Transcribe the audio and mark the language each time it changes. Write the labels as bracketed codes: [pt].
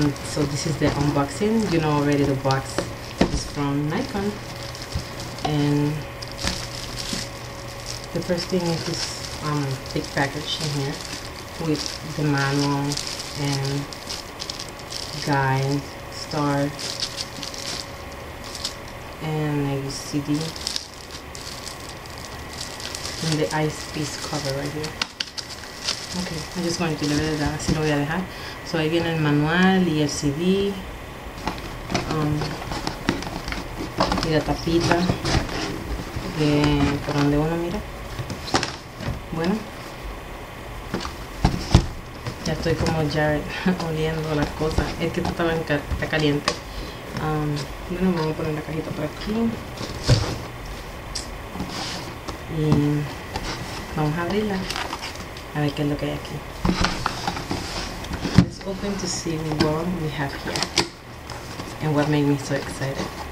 [en] So this is the unboxing. You know already the box is from Nikon, and the first thing is this big package in here with the manual and guide, star, and maybe CD, and the ice piece cover right here. Okay, I just wanted to leave it there. [es] Así lo voy a dejar. So ahí viene el manual y el CD, y la tapita de por donde uno mira. Bueno, ya estoy como ya oliendo las cosas. Es que estaba está caliente. Bueno, me voy a poner la cajita por aquí y vamos a abrirla a ver qué es lo que hay aquí. [en] Open to see what we have here and what made me so excited.